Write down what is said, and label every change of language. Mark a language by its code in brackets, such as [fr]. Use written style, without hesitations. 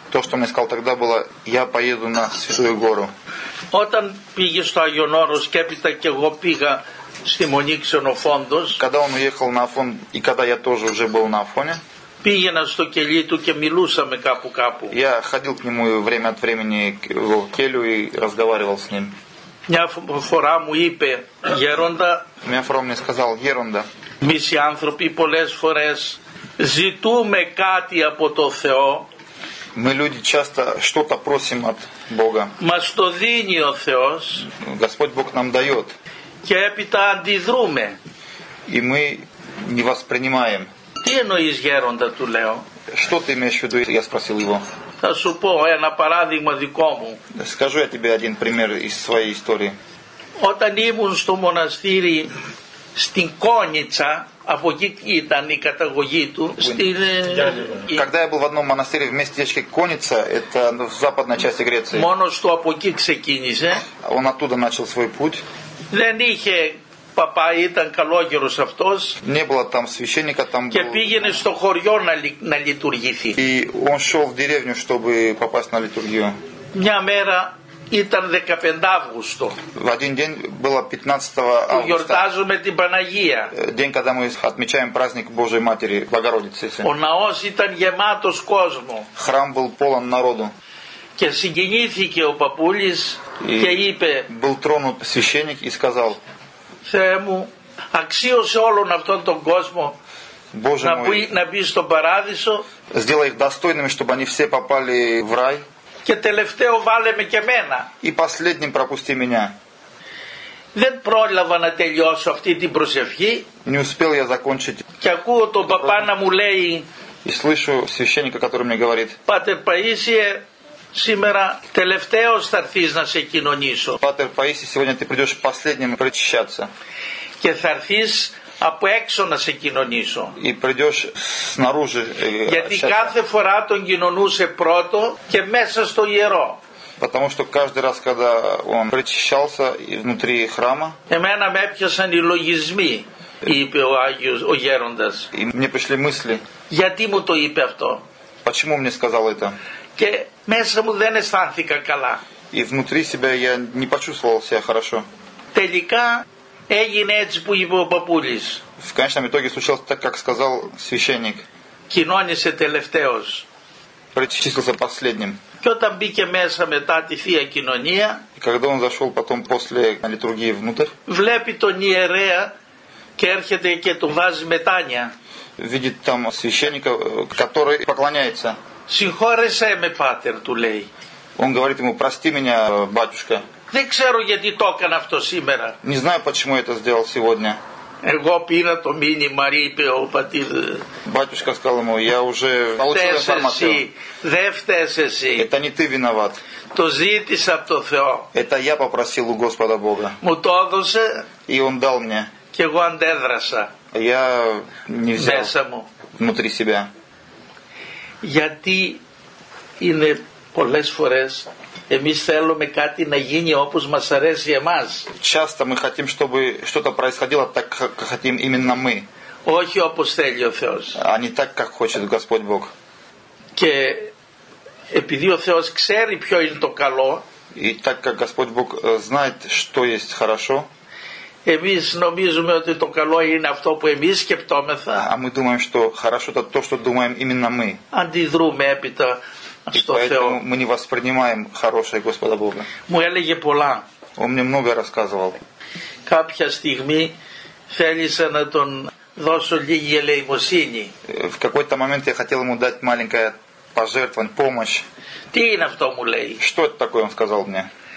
[ru] То, что мне сказал тогда было, я поеду на Святую Гору. [el] Όταν πήγε στο Άγιον Όρος και έπειτα και εγώ πήγα στη Μονή Ξενοφόντος. [ru] Когда он уехал на Афон и когда я тоже уже был на Афоне. [el] Πήγαινα στο κελί του και μιλούσαμε κάπου. [ru] Я ходил к нему время от времени в келью и разговаривал с ним. [el] Μια φορά μου είπε γέροντα. Μια φορά μου [ru] сказал [el] γέροντα. Εμείς οι άνθρωποι πολλές φορές ζητούμε κάτι από το Θεό. [ru] Мы люди часто что-то просим от Бога. [el] Μας το δίνει ο Θεός. [ru] Господь Бог нам дает. [el] Και έπειτα αντιδρούμε. [ru] И мы не воспринимаем. [el] Τι εννοείς γέροντα, του λέω. [ru] Что ты имеешь в виду, я спросил его. [el] Θα σου πω ένα παράδειγμα δικό μου. [ru] Скажу я тебе один пример из своей истории. [el] Όταν ήμουν στο μοναστήρι στην Κόνιτσα, από εκεί ήταν η καταγωγή του, στην... [ru] Когда я был в одном монастыре в местечке Коница, это в западной части Греции. [el] Μόνος του από εκεί ξεκίνησε. [ru] Он оттуда начал свой путь. [el] Δεν είχε παπά, ήταν καλόγερος αυτός. [ru] Не было там священника, там [el] και [ru] был... [el] πήγαινε στο χωριό να λειτουργηθεί. [ru] И он шел в деревню, чтобы попасть на литургию. [el] Μια μέρα ήταν 15 Αύγουστο. [ru] В один день было 15 Августа. [el] Που γιορτάζουμε την Παναγία. [ru] День, когда мы отмечаем праздник Божией Матери, Богородицы. [el] Ο ναός ήταν γεμάτος κόσμο. [ru] Храм был полон народу. [el] Και συγκινήθηκε ο παππούλης και είπε... [ru] Был тронут священник и сказал... [el] Θεέ μου, αξίωσε όλον αυτόν τον κόσμο να μπει στον παράδεισο. [ru] Сделай их достойными, чтобы они все попали в рай. [el] Και τελευταίο βάλε με και μένα. [ru] И последним пропусти меня. [el] Δεν πρόλαβα να τελειώσω αυτή την προσευχή. [ru] Не успел я закончить. [el] Και ακούω τον παπά να μου λέει. [ru] И слышу священника, который мне говорит. [el] Πάτερ Παΐσιε, σήμερα τελευταίος θα έρθεις να σε κοινωνήσω. [ru] Πάτερ Παΐσι, сегодня ты придешь последним причащаться. [el] Και θα έρθεις από έξω να σε κοινωνήσω. [ru] И придешь снаружи. [el] Γιατί κάθε φορά τον κοινωνούσε πρώτο και μέσα στο ιερό. [ru] Потому что каждый раз, когда он причащался внутри храма. [el] Εμένα με έπιασαν οι λογισμοί, είπε ο Άγιος, ο Γέροντας. [ru] И мне пришли мысли. [el] Γιατί μου το είπε αυτό. [ru] Почему мне сказал это? [el] Και μέσα μου δεν αισθάνθηκα καλά. [ru] И внутри себя я не почувствовал себя хорошо. [el] Τελικά έγινε έτσι που είπε ο παππούλης. [ru] В конечном итоге случилось так, как сказал священник. [el] Κοινώνησε τελευταίος. [ru] Причислился последним. [el] Και όταν μπήκε μέσα μετά τη Θεία Κοινωνία. [ru] И когда он зашел потом после литургии внутрь. [el] Βλέπει τον ιερέα και έρχεται και του βάζει μετάνια. [ru] Видит там священника, который поклоняется. [el] Συγχώρεσέ με, πάτερ, του λέει. [ru] Он говорит ему, прости меня, батюшка. [el] Δεν ξέρω γιατί το έκανα αυτό σήμερα. [ru] Не знаю, почему я это сделал сегодня. [el] Εγώ πήρα το μήνυμα, είπε ο πατήρ. [ru] Батюшка сказал ему, я уже получил информацию. [el] Δεν φταίσαι εσύ. [ru] Это не ты виноват. [el] Το ζήτησα από το Θεό. [ru] Это я попросил у Господа Бога. [el] Μου το έδωσε. [ru] И он дал мне. [el] Και εγώ αντέδρασα. [ru] Я не взял. [el] Μέσα μου. [ru] Внутри себя. [el] Γιατί είναι πολλές φορές εμείς θέλουμε κάτι να γίνει όπως μας αρέσει εμάς. [ru] Часто мы хотим, чтобы что-то происходило так, как хотим именно мы. [el] Όχι όπως θέλει ο Θεός. [ru] А не так, как хочет Господь Бог. [el] Και επειδή ο Θεός ξέρει ποιο είναι το καλό. [ru] И так как Господь Бог знает, что есть хорошо. [el] Εμείς νομίζουμε ότι το καλό είναι αυτό που εμείς σκεπτόμεθα. [ru] А мы думаем, что хорошо это то, что думаем именно мы. [el] Αντιδρούμε έπειτα στο Θεό. [ru] И поэтому мы не воспринимаем хорошее Господа Бога. [el] Μου έλεγε πολλά. [ru] Он мне много рассказывал. [el] Κάποια στιγμή θέλησα να τον δώσω λίγη ελεημοσύνη. [ru] В какой-то момент я хотел ему дать маленькое пожертвование, помощь. [el] Τι είναι αυτό, μου λέει. [ru] Что это такое, он сказал мне.